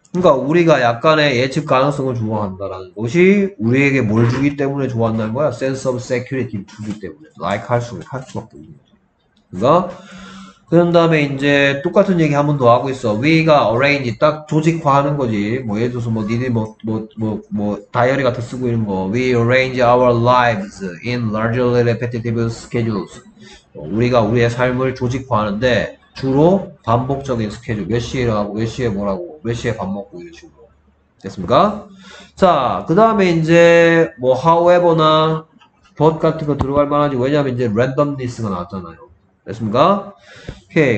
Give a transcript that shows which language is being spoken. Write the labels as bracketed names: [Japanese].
[Korean] 그러니까 우리가 약간의 예측 가능성을 좋아한다라는 것이 우리에게 뭘 주기 때문에 좋아한다는 거야? [English] Sense of security [Korean] 를 주기 때문에 like 할 수밖에 없는 거지. 그러니까 그런 다음에 이제 똑같은 얘기 한번더 하고 있어. We가 arrange 딱 조직화하는 거지. 뭐 예를 들어서 뭐 니들 뭐 다이어리 같은 쓰고 있는 거. [English] We arrange our lives in largely repetitive schedules. [Korean] 우리가 우리의 삶을 조직화하는데. 주로 반복적인 스케줄 몇 시에 하고 몇 시에 뭐라고 몇 시에 밥 먹고 이런 식으로 됐습니까? 자, 그 다음에 이제 뭐 however나 but 같은 거 들어갈 만하지. 왜냐면 이제 randomness가 나왔잖아요. 됐습니까? 오케이.